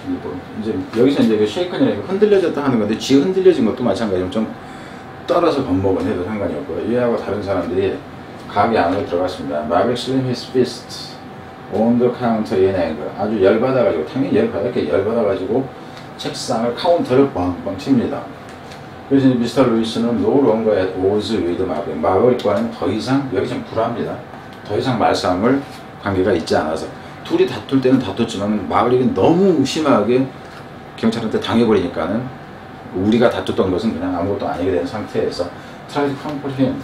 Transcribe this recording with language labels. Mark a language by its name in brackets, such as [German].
[Korean] 뭐, 이제 여기서 이제 쉐이큰이라고 흔들려졌다 하는 건데, 지 흔들려진 것도 마찬가지로 좀 떨어서 겁먹은 해도 상관이 없고요. 얘하고 다른 사람들이, 가게 안으로 들어갔습니다. [English] Maverick slammed his fist on the counter in anger. [Korean] 아주 열받아가지고, 당연히 열받아, 이렇게 열받아가지고, 책상을, 카운터를 뻥뻥 칩니다. 그래서 미스터 루이스는 [English] no longer at odds with Maverick. [Korean] Maverick과는 더 이상, 여기 좀 불합니다. 더 이상 말싸움을 관계가 있지 않아서. 둘이 다툴 때는 다퉜지만, Maverick은 너무 심하게 경찰한테 당해버리니까는, 우리가 다퉜던 것은 그냥 아무것도 아니게 된 상태에서, [English] try to comfort him.